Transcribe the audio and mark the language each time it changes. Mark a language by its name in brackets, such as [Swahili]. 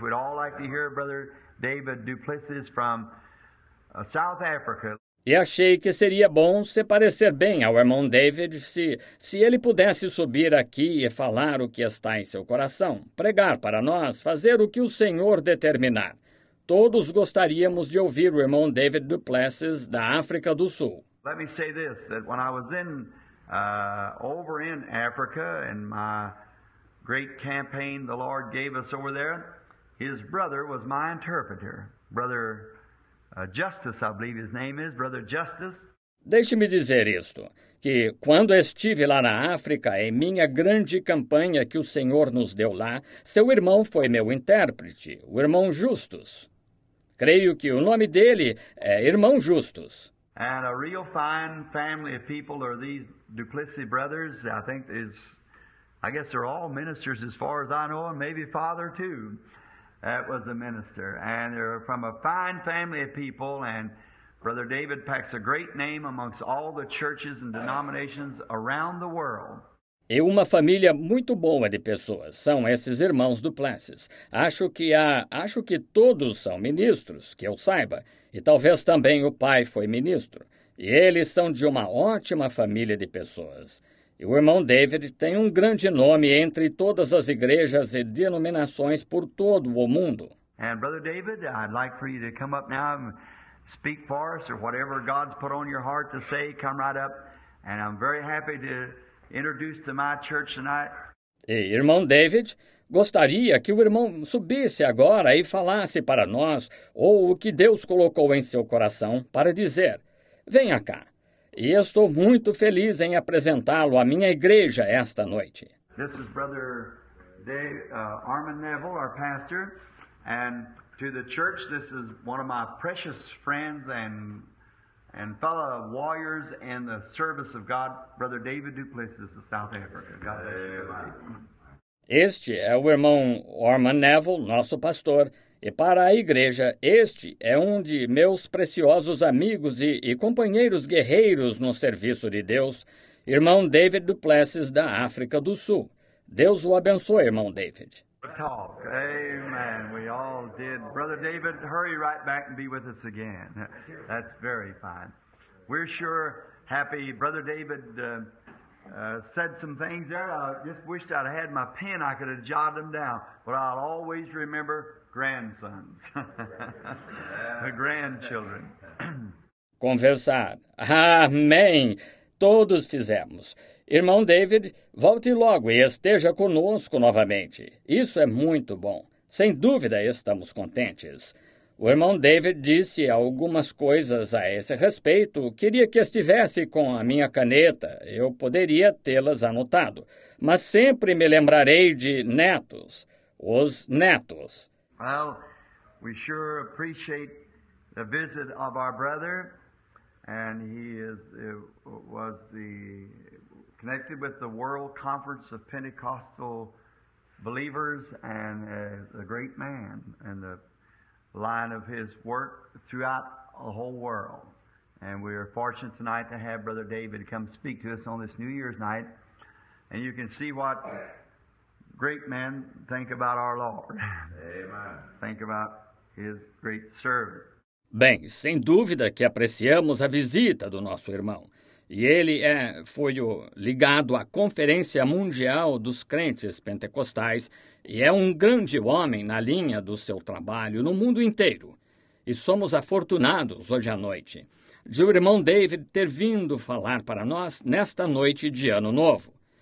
[English] We'd all like to hear Brother David Duplessis from South Africa. [Portuguese] E achei que seria bom se parecer bem ao irmão David se ele pudesse subir aqui e falar o que está em seu coração, pregar para nós, fazer o que o Senhor determinar. Todos gostaríamos de ouvir o irmão David Duplessis, da África do Sul. [English] Let me say this, that when I was in, over in Africa, in my great campaign the Lord gave us over there, his brother was my interpreter, brother Justice, I believe his name is, brother Justice. [Portuguese] Deixe-me dizer isto, que quando estive lá na África, em minha grande campanha que o Senhor nos deu lá, seu irmão foi meu intérprete, o irmão Justus. Creio que o nome dele é Irmão Justus. [English] And a real fine family of people are these Duplessis brothers. I think is, I guess they're all ministers as far as I know, and maybe father too. That was a minister. And they're from a fine family of people, and Brother David packs a great name amongst all the churches and denominations around the world. [Portuguese] E uma família muito boa de pessoas são esses irmãos Duplessis. Acho que todos são ministros, que eu saiba. E talvez também o pai foi ministro. E eles são de uma ótima família de pessoas. E o irmão David tem um grande nome entre todas as igrejas e denominações por todo o mundo. [English] And Brother David, I'd like for you to come up now and speak for us, or whatever God's put on your heart to say, come right up. And I'm very happy to introduce to my church tonight. [Portuguese] E irmão David, gostaria que o irmão subisse agora e falasse para nós ou o que Deus colocou em seu coração para dizer. Venha cá. E estou muito feliz em apresentá-lo à minha igreja esta noite. [English] This is Brother Dave, Armin Neville, our pastor. And to the church, this is one of my precious friends and fellow warriors in the service of God, Brother David Duplessis of South Africa. God bless you. Amen. [Portuguese] Este é o irmão Orman Neville, nosso pastor, e para a igreja, este é um de meus preciosos amigos e companheiros guerreiros no serviço de Deus, irmão David Duplessis, da África do Sul. Deus o abençoe, irmão David. [English] Talk. Amen. We all did. Brother David, hurry right back and be with us again. That's very fine. We're sure happy. Brother David said some things there. I just wished I'd had my pen. I could have jotted them down. But I'll always remember grandsons. The grandchildren. [Portuguese] Conversar. Amém. Todos fizemos. Irmão David, volte logo e esteja conosco novamente. Isso é muito bom. Sem dúvida, estamos contentes. O irmão David disse algumas coisas a esse respeito. Queria que estivesse com a minha caneta. Eu poderia tê-las anotado. Mas sempre me lembrarei de netos. Os netos. [English] Well, we sure appreciate the visit of our brother. And he is, was the connected with the World Conference of Pentecostal Believers and a great man in the line of his work throughout the whole world. And we are fortunate tonight to have Brother David come speak to us on this New Year's night. And you can see what great men think about our Lord. Amen. Think about his great service. [Portuguese] Bem, sem dúvida que apreciamos a visita do nosso irmão. E ele foi ligado à Conferência Mundial dos Crentes Pentecostais e é um grande homem na linha do seu trabalho no mundo inteiro. E somos afortunados hoje à noite de o irmão David ter vindo falar para nós nesta noite de Ano Novo.